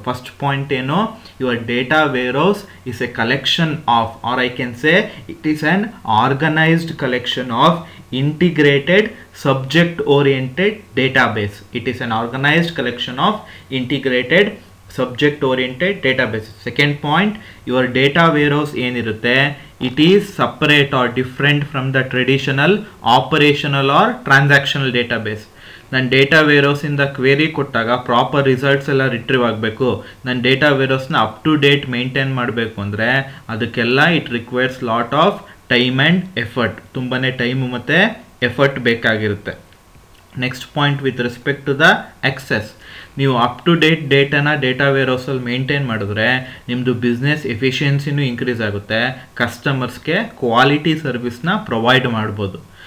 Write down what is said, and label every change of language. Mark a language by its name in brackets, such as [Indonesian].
[English] First point ಏನೋ, your data warehouse is a collection of, or I can say it is an organised collection of integrated subject oriented database. It is an organised collection of integrated subject oriented database. Second point, your data warehouse [Kannada] yen irutte, [English] it is separate or different from the traditional operational or transactional database. [Kannada] ನನ್ನ data ವೇರೋಸಿಂದ query ಕೊಟ್ಟಾಗ proper results ಎಲ್ಲ retrieve ಆಗಬೇಕು, ನನ್ನ data ವೇರೋಸ್ನ up to date maintain ಮಾಡಬೇಕು ಅಂದರೆ ಅದಕ್ಕೆಲ್ಲ [English] it requires lot of time and effort, [Kannada] ತುಂಬಾ time ಮತ್ತು ಎಫರ್ಟ್ ಬೇಕಾಗಿರುತ್ತೆ. [English] next point with respect to the access, [Kannada] ನೀವು up to date ಡೇಟಾನ data ವೇರೋಸಲ್ಲಿ maintain ಮಾಡಿದ್ರೆ ನಿಮ್ಮದು ಬಿಸ್ನೆಸ್ ಎಫಿಷಿಯನ್ಸಿನೂ ಇನ್ಕ್ರೀಸ್ ಆಗುತ್ತೆ, ಕಸ್ಟಮರ್ಸ್ಗೆ ಕ್ವಾಲಿಟಿ ಸರ್ವಿಸ್ನ ಪ್ರೊವೈಡ್ ಮಾಡ್ಬೋದು.